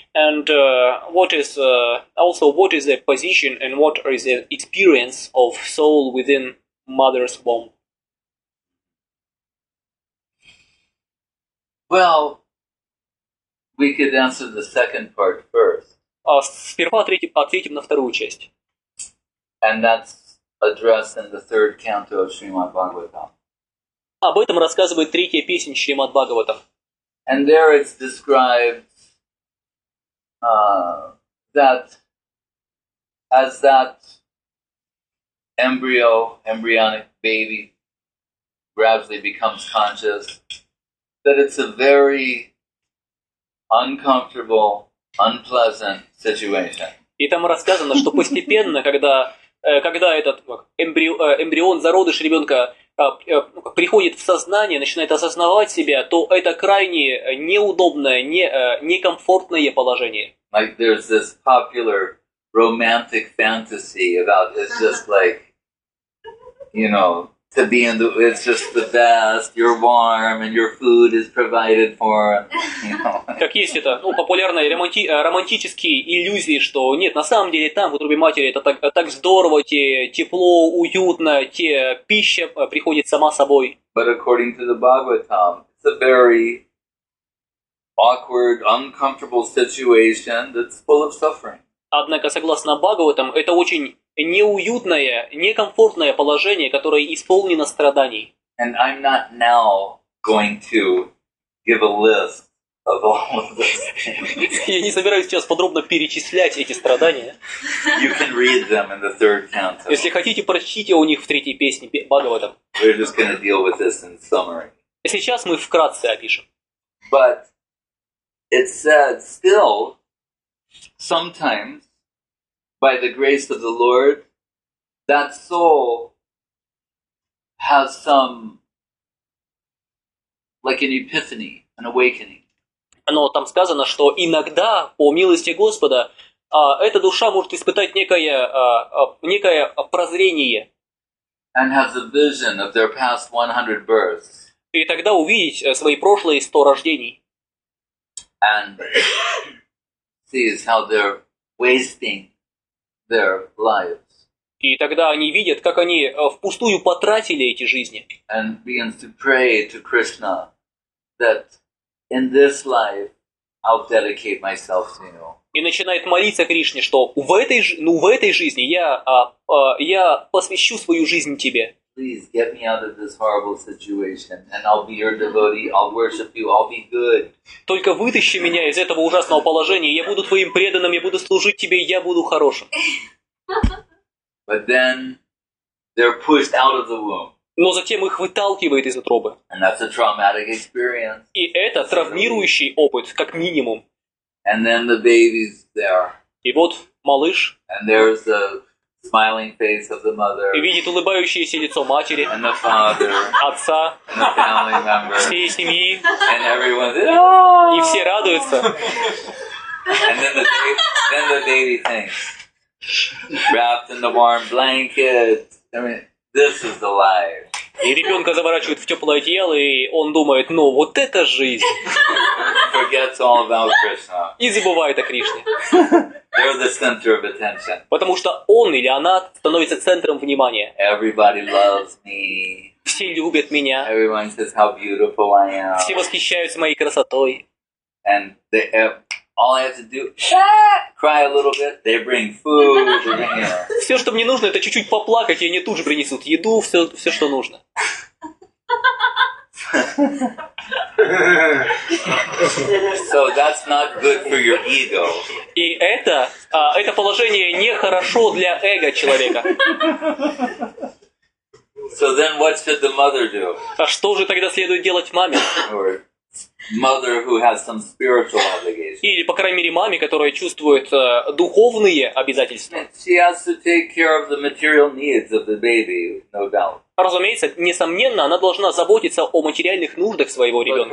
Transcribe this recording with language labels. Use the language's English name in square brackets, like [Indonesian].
[English] And what is the position and what is the experience of soul within mother's womb. Well, we could answer the second part first. [Russian] Сперва третий, ответим на вторую часть. [English] And that's addressed in the third canto of Srimad Bhagavatam. [Russian] Об этом рассказывает третья песня Шримад Бхагаватам. [English] And there it's described that as that embryonic baby gradually becomes conscious, that it's a very uncomfortable, unpleasant situation. [Russian] И там рассказано, что постепенно, когда этот эмбрион, зародыш ребенка приходит в сознание, начинает осознавать себя, то это крайне неудобное, некомфортное положение. [English] Like there's this popular romantic fantasy about it's just like, you know, to be in the, it's just the best, you're warm and your food is provided for, you know. [Russian] Как есть это, ну, популярные романтические иллюзии, что нет, на самом деле там, в утробе матери, это так здорово, тепло, уютно, пища приходит сама собой. [English] But according to the Bhagavatam, it's a very awkward, uncomfortable situation that's full of suffering. [Russian] Однако, согласно Бхагаватам, это очень неуютное, некомфортное положение, которое исполнено страданий. [English] And I'm not now going to give a list of all of this. [Russian] Я не собираюсь сейчас подробно перечислять эти страдания. [English] You can read them in the third canto. [Russian] Если хотите, прочтите у них в третьей песне Бхагаватам. [English] We're just going to deal with this in summary. [Russian] Сейчас мы вкратце опишем. [English] But it said still sometimes by the grace of the Lord, that soul has some, like an epiphany, an awakening. [Russian] Но там сказано, что иногда, по милости Господа, эта душа может испытать некое прозрение. [English] And has a vision of their past 100 births. [Russian] И тогда увидеть свои прошлые 100 рождений. [English] And sees how they're wasting their lives. [Russian] И тогда они видят, как они впустую потратили эти жизни. [English] And begins to pray to Krishna that in this life I'll dedicate myself to you. [Russian] И начинает молиться Кришне, что в этой жизни я посвящу свою жизнь тебе. [English] Please get me out of this horrible situation and I'll be your devotee, I'll worship you, I'll be good. [Russian] Только вытащи меня из этого ужасного положения, я буду твоим преданным, я буду служить тебе, я буду хорошим. [English] But then they're pushed out of the womb. [Russian] Но затем их выталкивает из утробы. [English] And that's a traumatic experience. [Russian] И это травмирующий опыт, как минимум. [English] And then the baby's there. [Russian] И вот малыш. [English] And there's the smiling face of the mother. [Russian] И видит улыбающееся лицо матери. [English] And the father. [Russian] Отца. [English] And the family members. [Russian] Всей семьи. [English] And everyone's like, [Russian] oh! И все радуются. [English] And then the baby thinks, wrapped in the warm blanket. I mean, this is the life. [Russian] И ребенка заворачивают в теплое одеяло, и он думает, ну вот это жизнь. [English] Forgets all about Krishna. [Russian] И забывает о Кришне. [English] They're the center of attention. [Russian] Потому что он или она становится центром внимания. [English] Everybody loves me. [Russian] Все любят меня. [English] Everyone says how beautiful I am. [Russian] Все восхищаются моей красотой. [English] And all I have to do is cry a little bit, they bring food. [Russian] Все, что мне нужно, это чуть-чуть поплакать, и они тут же принесут еду, все, что нужно. [English] So that's not good for your ego. [Russian] И это положение нехорошо для эго человека. [English] So then what should the mother do? [Russian] А что же тогда следует делать маме? [English] Mother who has some spiritual obligations. [Russian] Или, по крайней мере, маме, которая чувствует духовные обязательства. [English] She has to take care of the material needs of the baby, no doubt. [Russian] Разумеется, несомненно, она должна заботиться о материальных нуждах своего ребенка.